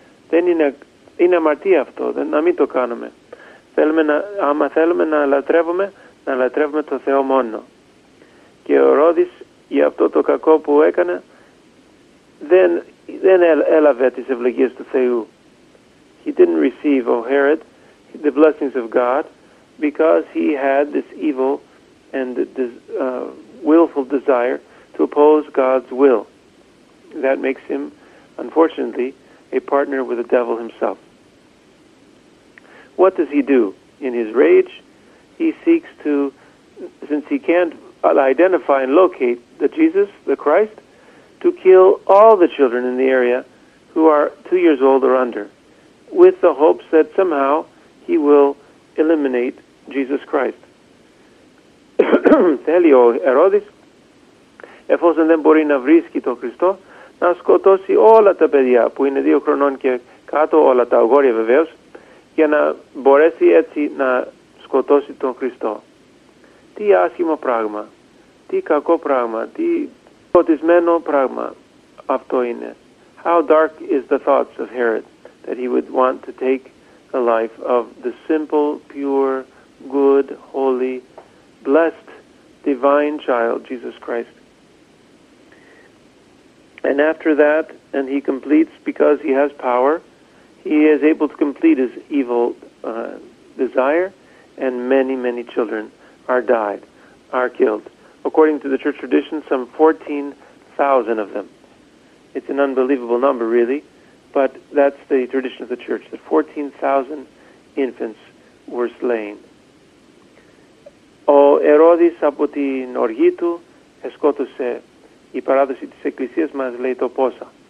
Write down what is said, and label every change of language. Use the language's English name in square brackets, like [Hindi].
[Greek] Δεν είναι αμαρτία αυτό, να μην το κάνουμε. Άμα θέλουμε να λατρεύουμε τον Θεό μόνο. Και ο Ερώδης για αυτό το κακό που έκανε δεν έλαβε τις ευλογίες του Θεού. [English] He didn't receive, O Herod, the blessings of God because he had this evil and willful desire to oppose God's will. That makes him, unfortunately, a partner with the devil himself. What does he do? In his rage, he seeks to, since he can't identify and locate the Jesus, the Christ, to kill all the children in the area who are 2 years old or under, with the hopes that somehow he will eliminate Jesus Christ. [Greek] Θέλει ο Ερώδης, εφόσον δεν μπορεί να βρίσκει τον Χριστό, να σκοτώσει όλα τα παιδιά που είναι 2 χρονών και κάτω, όλα τα αγόρια βεβαίως, για να μπορέσει έτσι να σκοτώσει τον Χριστό. Τι άσχημο πράγμα, τι κακό πράγμα, τι φωτισμένο πράγμα αυτό είναι. [English] How dark is the thoughts of Herod that he would want to take the life of the simple, pure, good, holy, blessed, divine child, Jesus Christ. And after that, and he completes, because he has power, he is able to complete his evil desire, and many, many children are killed. According to the church tradition, some 14,000 of them. It's an unbelievable number, really, but that's the tradition of the church, that 14,000 infants were slain. [Greek] Ο Ερώδης από την οργή του εσκότωσε, η παράδοση της Εκκλησίας μας λέει το πόσα.